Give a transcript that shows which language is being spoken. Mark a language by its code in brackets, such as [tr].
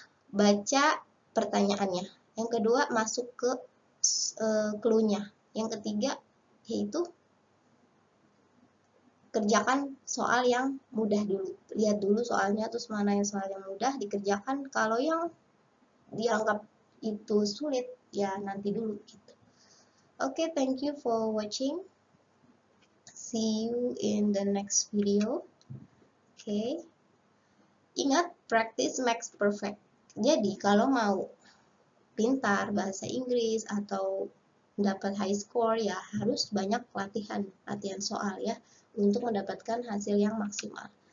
[id] Baca pertanyaannya. Yang kedua masuk ke clue-nya. Yang ketiga yaitu kerjakan soal yang mudah dulu. Lihat dulu soalnya, terus mana yang soal yang mudah, dikerjakan. Kalau yang dianggap itu sulit, ya nanti dulu. Gitu. [en] Oke, okay, thank you for watching. See you in the next video. Okay. Ingat, practice makes perfect. [id] Jadi, kalau mau pintar bahasa Inggris atau dapat high score, ya harus banyak latihan, latihan soal ya, untuk mendapatkan hasil yang maksimal.